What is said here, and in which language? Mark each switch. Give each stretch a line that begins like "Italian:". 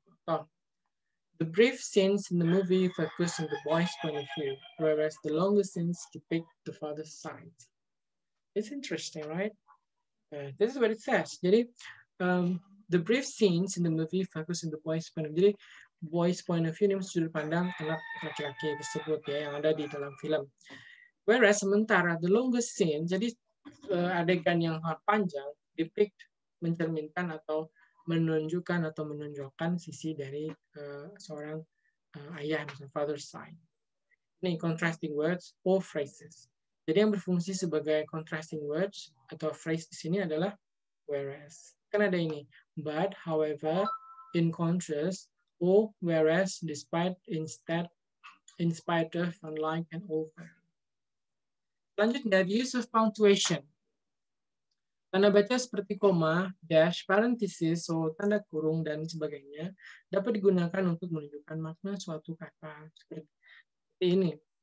English: Contoh, the brief scenes in the movie focus on the boy's point of view, whereas the longer scenes depict the father's side. It's interesting, right? This is what it says. Jadi, the brief scenes in the movie focus on the boy's point of view. Boy's point of view
Indonesian: ini sudut pandang anak laki-laki tersebut ya, yang ada di dalam film. Whereas sementara
English: the longest scene,
Indonesian: jadi adegan yang panjang depict, mencerminkan atau menunjukkan atau menunjukkan sisi dari seorang ayah, misalnya father's side. Ini
English: contrasting words or phrases.
Indonesian: Jadi yang berfungsi sebagai contrasting words atau phrase di sini adalah whereas. Kan ada ini,
English: but, however, in contrast, or whereas, despite, instead, in spite of, unlike, and over.
Indonesian: Selanjutnya,
English: the use of punctuation.
Indonesian: Tanda baca seperti koma, dash, parenthesis, so tanda kurung, dan sebagainya dapat digunakan untuk menunjukkan makna suatu kata seperti ini.